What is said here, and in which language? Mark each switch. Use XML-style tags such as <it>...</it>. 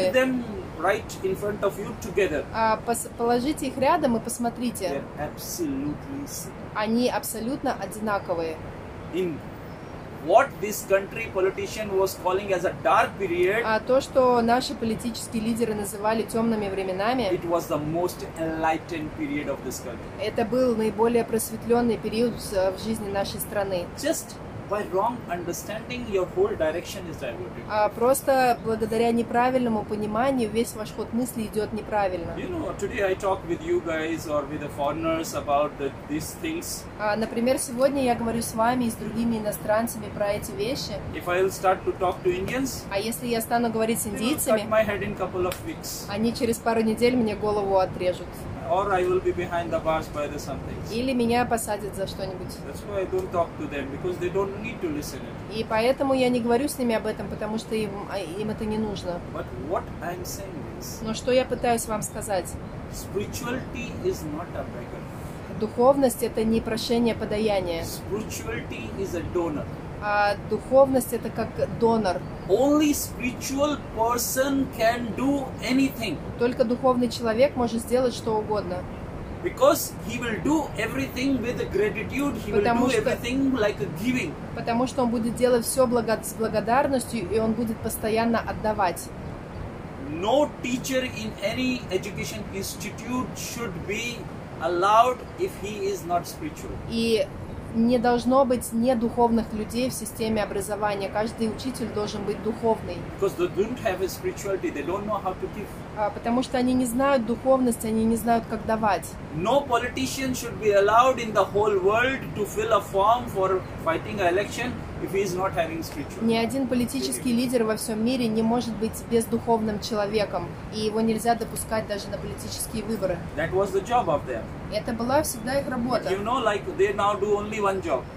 <en>Put them right in front of you together.</en> <ru>Положите их рядом и посмотрите.</ru> <en>They're absolutely similar.</en> <ru>Они абсолютно одинаковые.</ru> <en>In what this country politician was calling as a dark period.</en> <ru>То, что наши политические лидеры называли темными временами.</ru> <en>It was the most enlightened period of this country.</en> <ru>Это был наиболее просветленный период в жизни нашей страны.</ru> <en>Just by wrong understanding, your whole direction is diverted.</en> <ru>Просто благодаря неправильному пониманию весь ваш ход мысли идет неправильно.</ru> <en>You know, today I talk with you guys or with the foreigners about these things.</en> <ru>Например, сегодня я говорю с вами и с другими иностранцами про эти вещи.</ru> <en>If I will start to talk to Indians,</en> <ru>если я стану говорить с индийцами,</ru> <en>cut my head in couple of weeks.</en> <ru>Они через пару недель мне голову отрежут.</ru> <en>Or I will be behind the bars by the something.</en> <ru>Или меня посадят за что-нибудь.</ru> <en>That's why I don't talk to them, because they don't need to listen.</en> <ru>И поэтому я не говорю с ними об этом, потому что им это не нужно.</ru> <en>But what I'm saying is.</en> <ru>Но что я пытаюсь вам сказать?</ru> <en>Spirituality is not a beggar.</en> <ru>Духовность — это не прошение подаяния.</ru> <en>Spirituality is a donor.</en> <ru>Духовность — это как донор.</ru> <en>Only spiritual person can do anything.</en> <ru>Только духовный человек может сделать что угодно.</ru> <en>Because he will do everything with gratitude, he</en> <ru>потому</ru> <en>will do</en> <ru>что,</ru> <en>everything like a giving.</en> <ru>Потому что он будет делать все с благодарностью, и он будет постоянно отдавать.</ru> <en>No teacher in any education institute should be allowed if he is not spiritual.</en> <ru>И не должно быть недуховных людей в системе образования. Каждый учитель должен быть духовный.</ru> <en>Because they don't have a spirituality, they don't know how to give.</en> <ru>Потому что они не знают духовность, они не знают, как давать.</ru> <en>No politician should be allowed in the whole world to fill a form for fighting an election if he is not having spiritual.</en> <ru>Ни один политический лидер во всем мире не может быть бездуховным человеком, и его нельзя допускать даже на политические выборы.</ru> <en>That was the job of them.</en> <ru>Это была всегда их работа.</ru> <en>You know, like they now do only one job.</en>